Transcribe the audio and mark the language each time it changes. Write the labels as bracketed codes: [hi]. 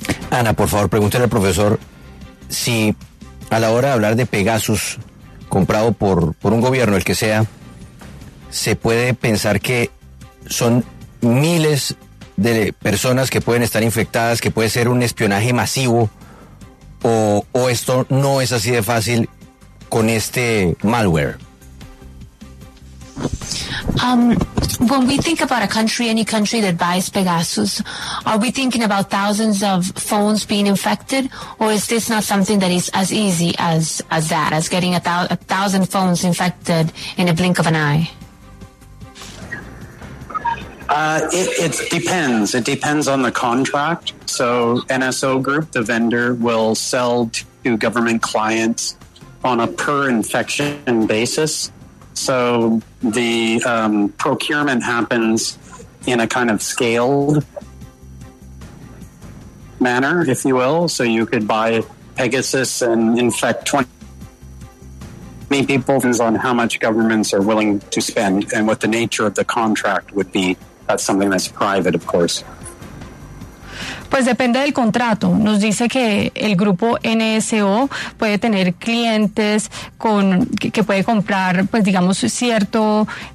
[es] Ana, por favor, pregúntale al profesor si a la hora de hablar de Pegasus, comprado por un gobierno, el que sea, se puede pensar que son miles de personas que pueden estar infectadas, que puede ser un espionaje masivo, o esto no es así de fácil con este malware. [en] When we think about a country, any country that buys Pegasus, are we thinking about thousands of phones being infected, or is this not something that is as easy as that, as getting a thousand phones infected in a blink of an eye? It depends. It depends on the contract. So NSO Group, the vendor, will sell to government clients on a per infection basis. So the procurement happens in a kind of scaled manner, if you will. So you could buy Pegasus and infect 20 people. Depends on how much governments are willing to spend and what the nature of the contract would be. That's something that's private, of course. [es] Pues depende del contrato. Nos dice que el grupo NSO puede tener clientes que puede comprar, pues digamos, cierto...